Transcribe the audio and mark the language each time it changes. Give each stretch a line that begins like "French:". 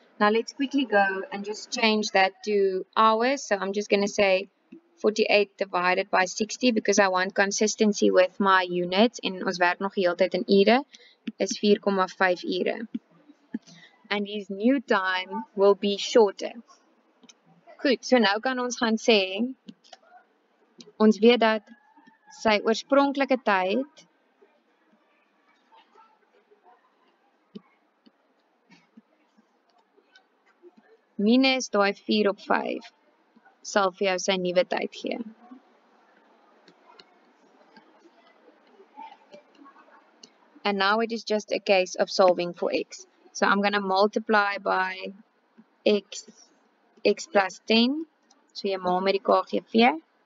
English: Now let's quickly go and just change that to hours. So I'm just going to say 48 divided by 60 because I want consistency with my units.
Afrikaans: En ons werk nog heeltyd in ure is 4,5 ure.
English: And his new time will be shorter.
Afrikaans: Goed, so nou kan ons gaan sê ons weet dat sy oorspronklike tyd minus daai 4/5 sal vir jou sy nuwe tyd gee.
English: And now it is just a case of solving for x. So I'm going to multiply by x plus 10.
Afrikaans: So jy maal met die k gee 4.